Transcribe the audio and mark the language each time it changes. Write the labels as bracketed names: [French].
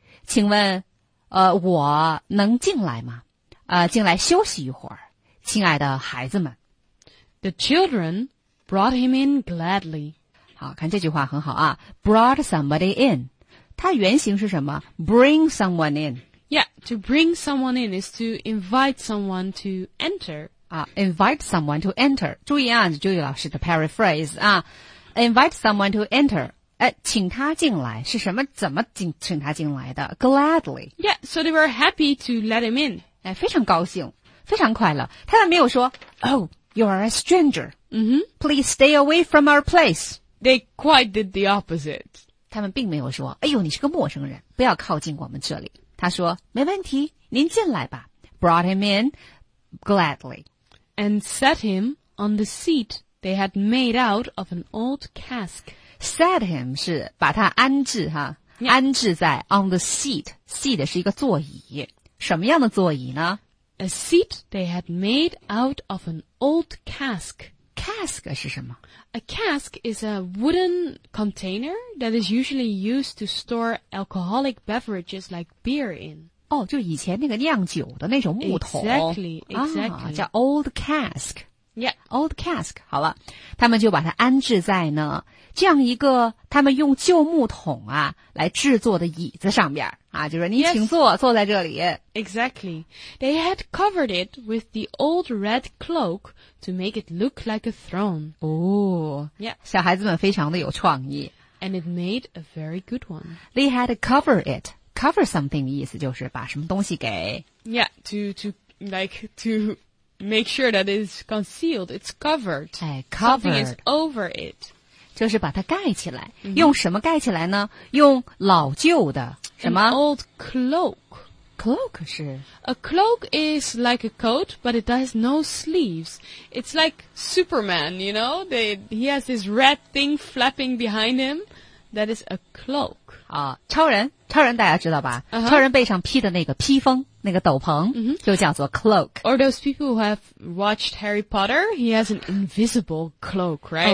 [Chinese] 请问我能进来吗进来休息一会儿。亲爱的孩子们。 [English] The children brought him in gladly. [Chinese] 好，看这句话很好啊。 [English] Brought somebody in. [Chinese] 它原型是什么 ? [English] Bring someone in. Yeah, to bring someone in is to invite someone to enter. 啊 ,invite someone to enter. [Chinese] 注意啊注意老师的 paraphrase 啊。 [English] Invite someone to enter. [Chinese] 请他进来是什么怎么请他进来的 ?Gladly. [English] Yeah, so they were happy to let him in. [Chinese] 哎非常高兴非常快乐。他们没有说 , [English] Oh, you are a stranger.、 Mm-hmm. Please stay away from our place. They quite did the opposite. [Chinese] 他们并没有说哎呦你是个陌生人不要靠近我们这里。他说没问题您进来吧。 [English] Brought him in gladly. And set him on the seat they had made out of an old cask. Set him [Chinese] 是把他安置哈、 [English] yeah. [Chinese] 安置在 [English] on the seat. [Chinese] Seat 是一个座椅。什么样的座椅呢 [English] ?A seat they had made out of an old cask. [Chinese] Cask 是什么 [English] ?A cask is a wooden container that is usually used to store alcoholic beverages like beer in. [Chinese] 哦就以前那个酿酒的那种木桶。 [English] Exactly. [Chinese] 啊叫 old cask. [English] Yeah. Old cask. [Chinese] 好了他们就把它安置在呢这样一个他们用旧木桶啊来制作的椅子上面。啊就是你请坐、 [English] yes. [Chinese] 坐在这里。 [English] Exactly. They had covered it with the old red cloak to make it look like a throne. 哦、 yeah. [Chinese] 小孩子们非常的有创意。 [English] And it made a very good one. They had covered it. Cover something [Chinese] 的意思就是把什么东西给。 [English] Yeah, to make sure that it's concealed. It's covered. 哎 covered. Something is over it. [Chinese] 就是把它盖起来、mm-hmm. 用什么盖起来呢用老旧的什么 [English] An old cloak [Chinese] Cloak 是 [English] A cloak is like a coat But it has no sleeves It's like Superman You know He has this red thing Flapping behind him That is a cloak [Chinese] 啊，超人超人大家知道吧、 uh-huh. 超人背上披的那个披风那个斗篷、 mm-hmm. 就叫做 cloak [English] Or those people who have watched Harry Potter He has an invisible cloak, right?